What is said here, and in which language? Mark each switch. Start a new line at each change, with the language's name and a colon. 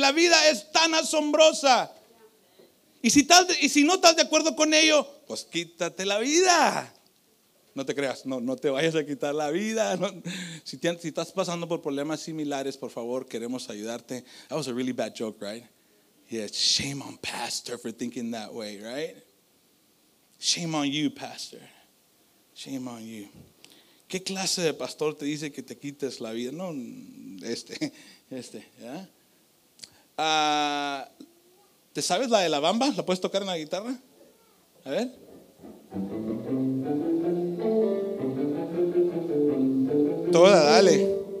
Spanish: La vida es tan asombrosa. Y si, no estás de acuerdo con ello, pues quítate la vida. No te creas, no te vayas a quitar la vida. No. Si estás pasando por problemas similares, por favor, queremos ayudarte.
English: That was a really bad joke, right? Yeah, shame on pastor for thinking that way, right? Shame on you, pastor. Shame on you.
Spanish: ¿Qué clase de pastor te dice que te quites la vida? No, ¿eh? ¿Te sabes la de la bamba? ¿La puedes tocar en la guitarra? A ver. Toda, dale.